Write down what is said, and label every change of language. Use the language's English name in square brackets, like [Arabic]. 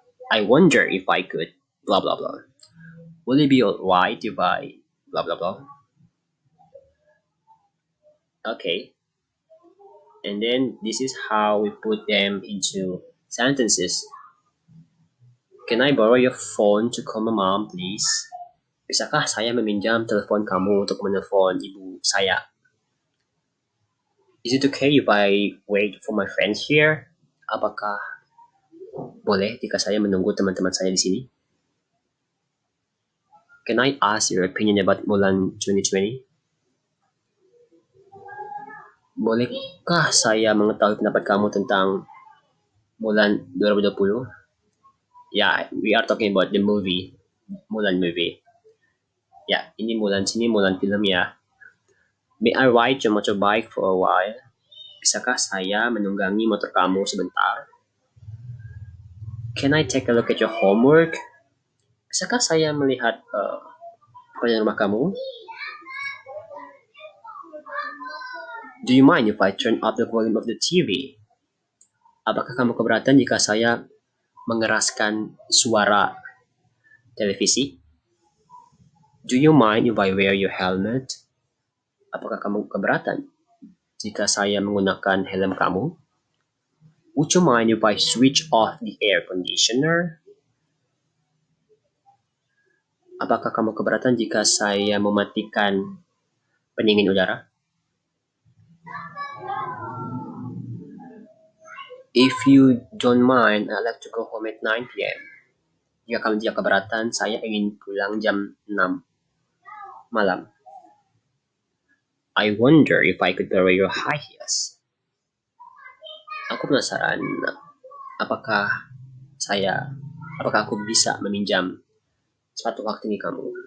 [English] I wonder if I could. Blah blah blah. Would it be alright if I? Blah blah blah. Okay, and then this is how we put them into sentences. Can I borrow your phone to call my mom, please? [Indonesian] Bisakah saya meminjam telepon kamu untuk menelpon ibu saya? [English] Is it okay if I wait for my friends here? [Indonesian] Apakah boleh jika saya menunggu teman-teman saya di sini? [English] Can I ask your opinion about Mulan 2020? [Indonesian] Bolehkah saya mengetahui pendapat kamu tentang Mulan 2020? [English] Yeah, we are talking about the movie, Mulan movie. Yeah, [Indonesian] ini Mulan film ya. [English] May I ride your motorbike for a while? [Indonesian] Bisakah saya menunggangi motor kamu sebentar? [English] Can I take a look at your homework? [Indonesian] Bisakah saya melihat pekerjaan rumah kamu? [English] Do you mind if I turn up the volume of the TV? [Indonesian] Apakah kamu keberatan jika saya mengeraskan suara televisi? [English] Do you mind if I wear your helmet? [Indonesian] Apakah kamu keberatan jika saya menggunakan helm kamu? [English] Would you mind if I switch off the air conditioner? [Indonesian] Apakah kamu keberatan jika saya mematikan pendingin udara? [English] If you don't mind, I'd like to go home at 9 PM. [Indonesian] Jika kamu tidak keberatan, saya ingin pulang jam 6 malam. [English] I wonder if I could borrow your high heels. [Indonesian] Aku penasaran, apakah aku bisa meminjam sepatu kaki tinggi kamu?